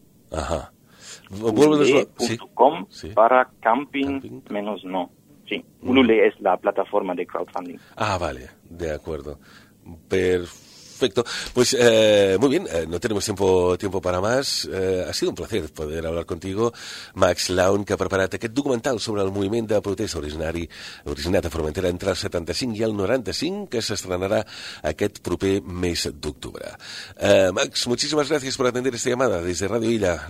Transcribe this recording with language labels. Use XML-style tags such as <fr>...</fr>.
<es>Ajá. Ulule.com sí. /camping-no. Sí. Ulule es la plataforma de crowdfunding. Ah, vale. De acuerdo. Perfecto. Pues muy bien. No tenemos tiempo para más. Ha sido un placer poder hablar contigo,</es> <ca>Max Laun, que ha preparat aquest documental sobre el moviment de protesta originat a Formentera entre el 75 i el 95, que s'estrenarà aquest proper mes d'octubre.</ca> <es>Max, muchísimas gracias por atender esta llamada desde Radio Illa.</es>